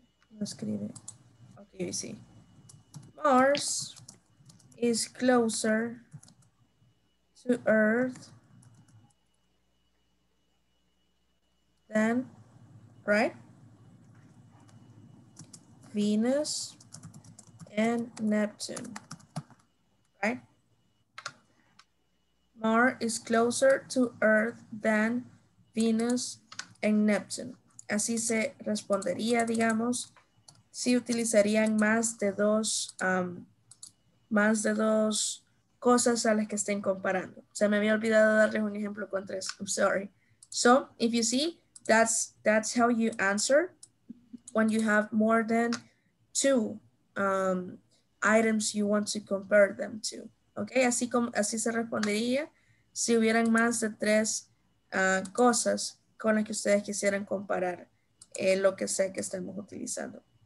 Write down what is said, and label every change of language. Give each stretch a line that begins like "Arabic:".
Spanish: No escribe. Ok, sí.
English: Mars is closer to Earth than, right? Venus and Neptune, right? Mars is closer to Earth than Venus and Neptune.
Spanish: Así se respondería, digamos, si utilizarían más de dos cosas a las que estén comparando. O sea, me había olvidado darles un ejemplo con tres.
English: I'm sorry. So, if you see, that's how you answer when you have more than two items you want to compare them to.
Spanish: Okay, así se respondería si hubieran más de tres cosas con las que ustedes quisieran comparar lo que sea que estemos utilizando.